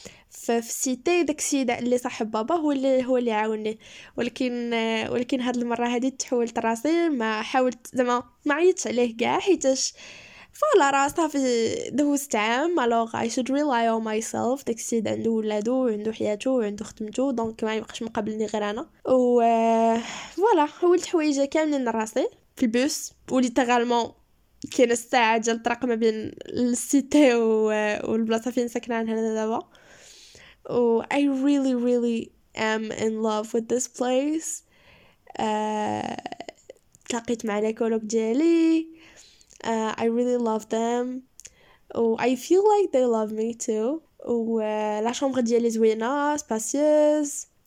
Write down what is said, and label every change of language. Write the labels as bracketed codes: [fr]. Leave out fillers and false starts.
[ar] ففي السيتي داك السيد اللي صاحب بابا هو اللي عاوني، ولكن هاد المره هادي تحولت راسي، ما حاولت زعما ما عيطتش عليه كاع، حيتاش فوالا راه صافي دوزت عام، [en] الوغ I should rely on myself, [ar] داك السيد عنده ولادو وعنده حياته وعنده خدمته، دونك ما يبقاش مقابلني غير انا، و فوالا حولت حوايجي كاملين راسي في البوس، وليت غالمون كاين الساعه ديال الطريق ما بين السيتي والبلاصه فين ساكنه انا دابا. [en] Oh, I really, really am in love with this place. [ar] تلاقيت مع الكولوج ديالي. [en] I really love them. Oh, I feel like they love me too. [ar] لا شامبر ديالي زوينة, spacious.